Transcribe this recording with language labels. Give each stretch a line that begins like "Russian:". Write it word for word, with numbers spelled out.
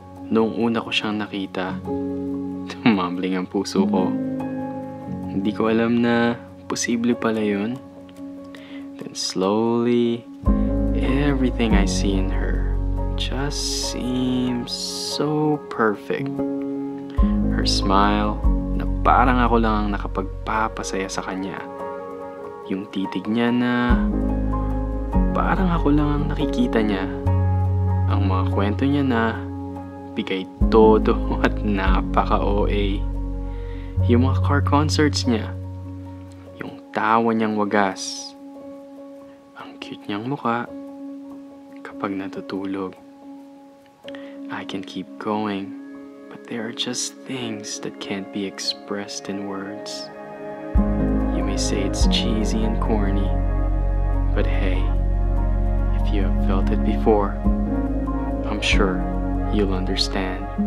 Filipino: Noong una ko siyang nakita, tumambling ang puso ko. Hindi ko alam na posible pala yun.
English: Then slowly, everything I see in her just seems so perfect. Her smile,
Filipino: na parang ako lang ang nakapagpapasaya sa kanya. Yung titig niya na parang ako lang ang nakikita niya. Ang mga kwento niya na bigay todo at napaka-O A. Yung mga car concerts niya. Yung tawa niyang wagas. Ang cute niyang mukha kapag natutulog.
English: I can keep going, but there are just things that can't be expressed in words. You may say it's cheesy and corny, but hey, if you have felt it before, I'm sure you'll understand.